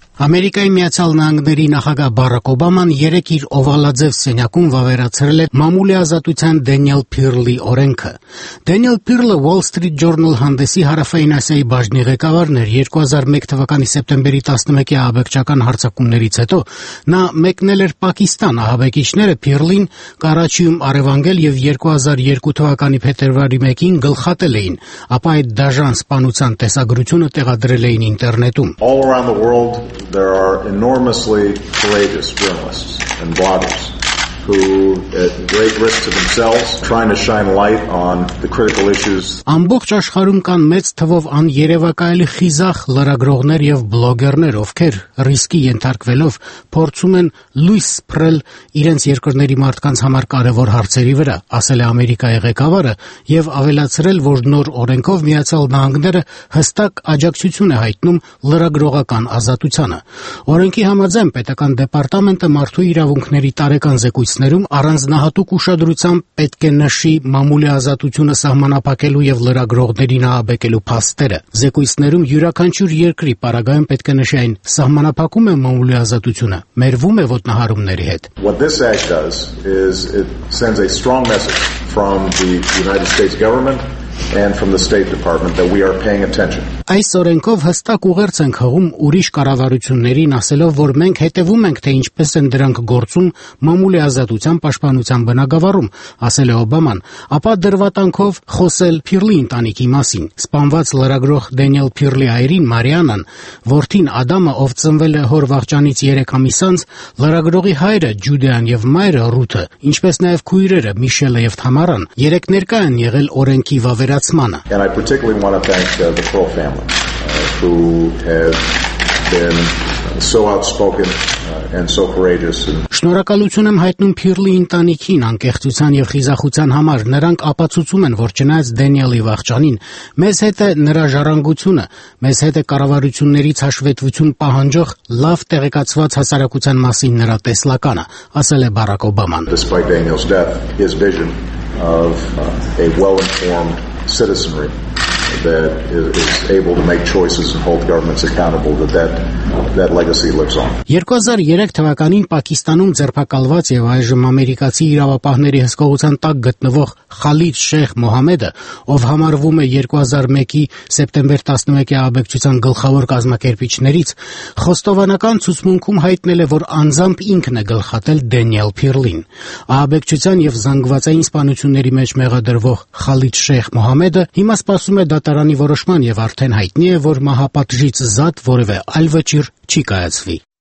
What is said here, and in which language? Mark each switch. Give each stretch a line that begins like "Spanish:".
Armenian: Ամերիկայի Միացյալ Նահանգների նախագահ Բարակ Օբաման երեկ իր օվալաձև սենյակում վավերացրել է մամուլի ազատության Դենիել Փիրլի օրենքը։ Դենիել Փիրլը Wall Street Journal հանդեսի Հարավային Ասիայի բաժնի ղեկավարն էր 2001 թվականի սեպտեմբերի 11-ի ահաբեկչական հարձակումներից հետո։ Նա մեկնել էր Պակիստան, ահաբեկիչները Փիրլին Կարաչիում առևանգել և 2002 թվականի փետրվարի 1-ին գլխատել էին, ապա այդ դաժան սպանության տեսագրությունը տեղադրել էին ինտերնետում։
English: There are enormously courageous journalists and bloggers who, at great risk to themselves, trying to shine light on the critical issues.
Armenian: Ամբողջ աշխարհում կան մեծ թվով աներևակայելի խիզախ լրագրողներ եւ բլոգերներ, ովքեր ռիսկի ենթարկվելով փորձում են լույս սփռել իրենց երկրների մարդկանց համար կարևոր հարցերի վրա, ասել է Ամերիկայի ղեկավարը եւ ավելացրել, որ նոր օրենքով Միացյալ Նահանգները հստակ աջակցություն է հայտնում լրագրողական ազատությանը։ Օրենքի համաձայն պետական դեպարտամենտը մարդու իրավունքների տարեկան զեկույցներում առանձնահատուկ ուշադրությամբ պետք է նշի մամուլի ազատությունը սահմանափակելու եւ լրագրողներին ահաբեկելու փաստերը։ Զեկույցներում յուրաքանչյուր երկրի պարագայում պետք է նշի այն սահմանափակում է մամուլի ազատությունը, մերվում է ոտնահարումների հետ։
English: What this act does is it sends a strong message from the United States government and from the State Department that we are paying attention.
Armenian: Այս օրենքով հստակ ուղերձ ենք հղում ուրիշ կառավարություններին, ասելով, որ մենք հետևում ենք, թե ինչպես են դրանք գործում մամուլի ազատության պաշտպանության բնագավառում, ասել է Օբաման, ապա դրվատանքով խոսել Փիրլի ընտանիքի մասին։ Սպանված լրագրող Դենիել Փիրլի այրին Մարիանան, որդին Ադամը, ով ծնվել է հոր վաղճանից 3 ամիս անց, լրագրողի հայրը Ջուդեան եւ մայրը Ռութը, ինչպես նաեւ քույրերը Միշելը եւ Թամարան, երեք ներկա են եղել օրենքի վավերացմանը։
English: Who have been so outspoken and so courageous.
Armenian: Շնորհակալություն եմ հայտնում Փիրլի ընտանիքին անկեղծության եւ խիզախության համար։ Նրանք ապացուցում են, որ չնայած Դենիելի վաղճանին, մեզ հետ է նրա ժառանգությունը, մեզ հետ է կառավարություններից հաշվետվություն պահանջող լավ տեղեկացված հասարակության մասին նրա տեսլականը, ասել է Բարակ Օբաման.
English: Despite Daniel's death, his vision of a well-informed citizenry that is able to make choices and hold governments accountable that legacy lives on.
Armenian: 2003 թվականին Պակիստանում ձերբակալված եւ այժմ ամերիկացի իրավապահների հսկողության տակ գտնվող Խալիդ Շեխ Մոհամեդը, ով համարվում է 2001-ի սեպտեմբեր 11-ի ահաբեկչության գլխավոր կազմակերպիչներից, խոստովանական ցուցմունքում հայտնել է, որ անձամբ ինքն է գլխատել Դենիել Փիրլին։ Ահաբեկչության եւ զանգվածային սպանությունների մեջ մեղադրվող Խալիդ Շեխ Մոհամեդը հիմա սպասում է դատարանի որոշման եւ արդեն հայտնի է, որ մահապատժից զատ որևէ այլ վճիր չի կայացվի։